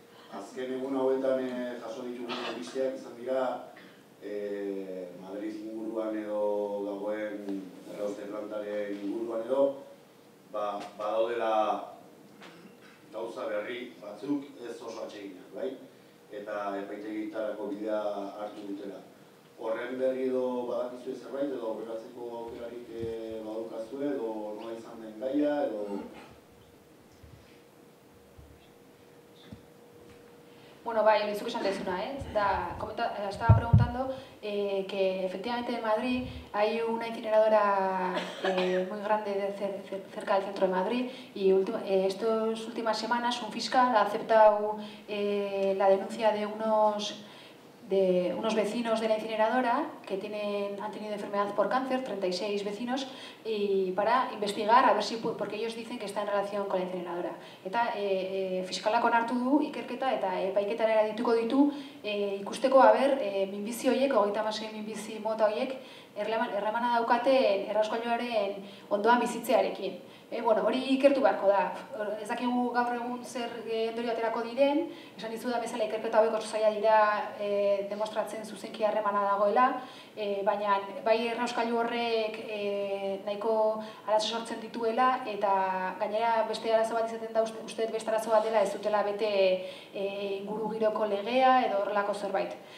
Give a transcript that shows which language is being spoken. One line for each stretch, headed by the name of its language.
Basque: Azken egun hauetan jaso ditugu bizteak izan dira Madrid inguruan edo dagoen errauste plantaren inguruan edo badaudela gauza berri batzuk ez oso atxeginak, bai? eta epaitegitarako bidea hartu dutela. Horren berri edo badakizu zerbait edo operatzeko aukerarik badaukazu edo nola izan den gaia edo
Spanish: Bueno, bai, lo que es una, Da, estaba preguntando que efectivamente en Madrid hay una incineradora muy grande de cerca del centro de Madrid y estas últimas semanas un fiscal ha aceptado la denuncia de unos vecinos de la incineradora que han tenido enfermedad por cáncer, 36 vecinos, y para investigar a ver si porque ellos dicen que está en relación con la incineradora.
Basque: Eta fiskalak onartu du ikerketa eta epaiketarara dituko ditu ikusteko a ber minbizi hoiek 36 minbizi mota hoiek erremana daukate errauskailuaren ondoan bizitzearekin. Bueno, hori ikertu beharko da. Ez dakigu gaur egun zer ondorio aterako diren, esan dizu da bezala ikerketa hauek oso zaila dira demostratzen zuzenki harremana dagoela, baina bai errauskailu horrek nahiko arazo sortzen dituela eta gainera beste arazo bat izaten da uste beste arazo bat dela ez dutela bete inguru giroko legea edo horrelako zerbait.